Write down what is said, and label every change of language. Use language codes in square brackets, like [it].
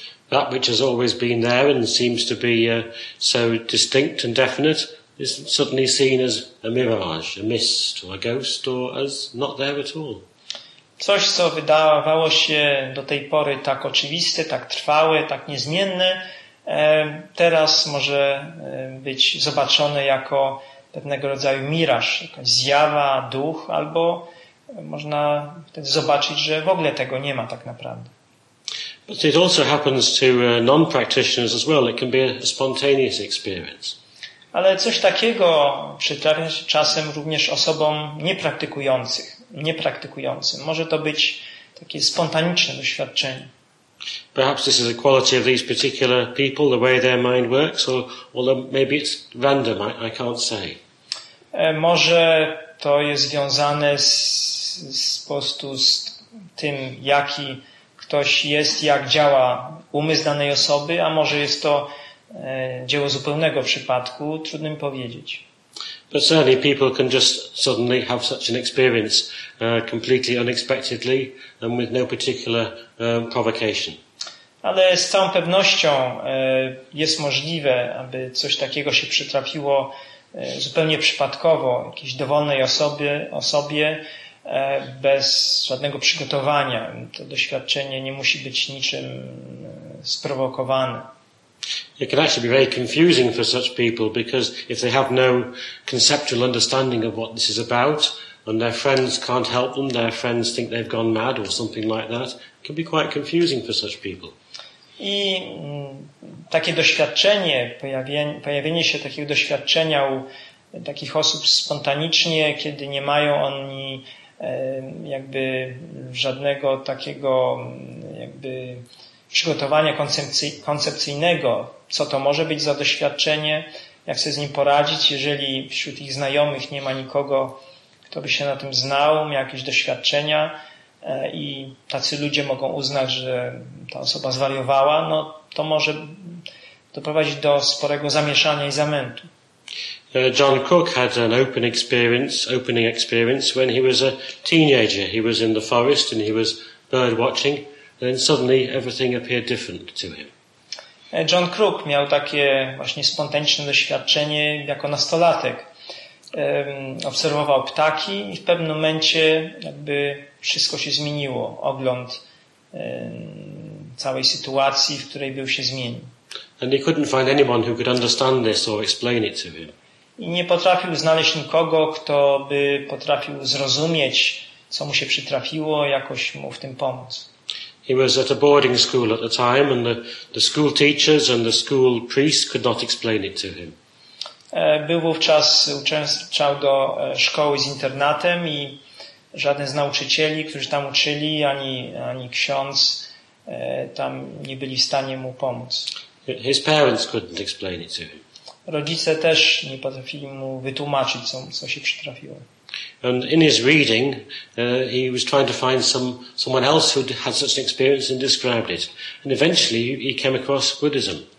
[en] That which has always been there and seems to be so distinct and definite is suddenly seen as a mirage, a mist or a ghost or as not there at all. [pl] Coś, co wydawało się do tej pory tak oczywiste, tak trwałe, tak niezmienne, teraz może być zobaczone jako pewnego rodzaju miraż, jakaś zjawa, duch, albo można wtedy zobaczyć, że w ogóle tego nie ma tak naprawdę. [en] But it also happens to non-practitioners as well. It can be a spontaneous experience. [pl] Ale coś takiego przytrafia się czasem również osobom niepraktykującym. Może to być takie spontaniczne doświadczenie. [en] Perhaps this is a quality of these particular people, the way their mind works, or maybe it's random, I can't say. [pl] Może to jest związane z tym, jaki ktoś jest, jak działa umysł danej osoby, a może jest to dzieło zupełnego przypadku, trudno mi powiedzieć. [en] But certainly people can just suddenly have such an experience completely unexpectedly and with no particular provocation. [pl] Ale z całą pewnością jest możliwe, aby coś takiego się przytrafiło zupełnie przypadkowo jakiejś dowolnej osobie bez żadnego przygotowania. To doświadczenie nie musi być niczym sprowokowane. [en] It can actually be very confusing for such people, because if they have no conceptual understanding of what this is about and their friends can't help them, their friends think they've gone mad or something like that, it can be quite confusing for such people. [pl] I takie doświadczenie, pojawienie się takiego doświadczenia u takich osób spontanicznie, kiedy nie mają oni jakby żadnego takiego jakby przygotowania koncepcyjnego, co to może być za doświadczenie, jak sobie z nim poradzić, jeżeli wśród ich znajomych nie ma nikogo, kto by się na tym znał, miał jakieś doświadczenia, i tacy ludzie mogą uznać, że ta osoba zwariowała, no to może doprowadzić do sporego zamieszania i zamętu. [en] John Cook had an opening experience when he was a teenager. He was in the forest and he was bird watching. Then suddenly everything appeared different to him. [pl] John Crook miał takie właśnie spontaniczne doświadczenie jako nastolatek. Obserwował ptaki i w pewnym momencie jakby wszystko się zmieniło. Ogląd całej sytuacji, w której był, się zmienił. [en] And he couldn't find anyone who could understand this or explain it to him. [pl] I nie potrafił znaleźć nikogo, kto by potrafił zrozumieć, co mu się przytrafiło, jakoś mu w tym pomóc. [en] He was at a boarding school at the time, and the school teachers and the school priest could not explain it to him. [pl] Był wówczas, uczęszczał do szkoły z internatem i żaden z nauczycieli, którzy tam uczyli, ani ksiądz tam nie byli w stanie mu pomóc. [en] His parents couldn't explain it to him. [pl] Rodzice też nie potrafili mu wytłumaczyć, co się przytrafiło. [en] And in his reading, he was trying to find someone else who had such an experience and described it. And eventually he came across Buddhism.